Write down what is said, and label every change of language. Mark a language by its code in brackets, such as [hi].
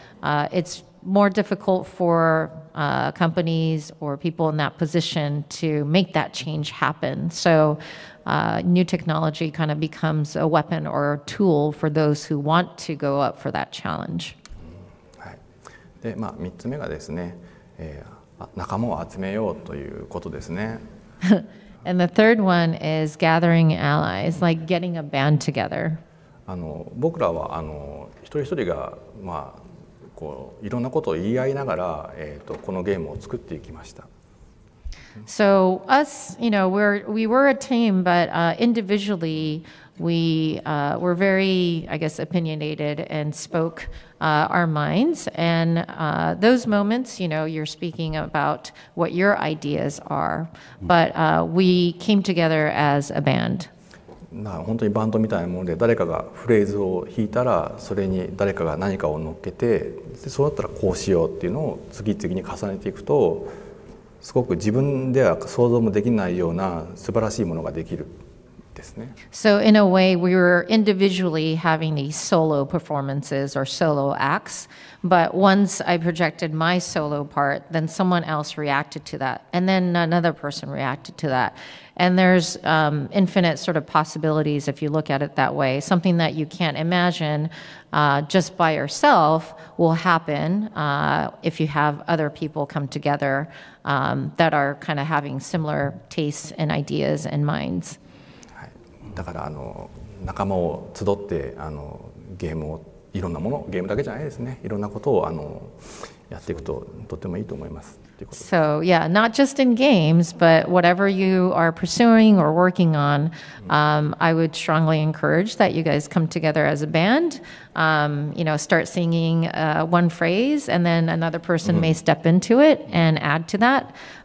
[en] It's more difficult for companies or people in that position to make that change happen. So new technology kind of becomes a weapon or a tool for those who want to go up for that challenge. [ja] はい。で、まあ、3つ目がですね、仲間を集めようということですね。 [en] And the third one is gathering allies, like getting a band together. [ja] 僕らは一人一人が、まあ、こういろんなことを言い合いながら、このゲームを作っていきました。 [en] So us, you know, we were a team, but individually we were very, I guess, opinionated and spoke our minds. And those moments, you know, you're speaking about what your ideas are, but we came together as a band. [ja] 本当にバンドみたいなもので、誰かがフレーズを弾いたら、それに誰かが何かを乗っけて、でそうだったらこうしようっていうのを次々に重ねていくと、すごく自分では想像もできないような素晴らしいものができるですね。 [en] So in a way, we were individually having these solo performances or solo acts, but once I projected my solo part, then someone else reacted to that, and then another person reacted to that. And there's infinite sort of possibilities if you look at it that way. Something that you can't imagine just by yourself will happen if you have other people come together that are kind of having similar tastes and ideas and minds. [ja] だから仲間を集ってゲームをいろんなものゲームだけじゃないですねいろんなことをやっていくととてもいいと思いますということです。 [en] So yeah, not just in games, but whatever you are pursuing or working on, I would strongly encourage that you guys come together as a band. You know, start singing one phrase, and then another person may step into it and add to that.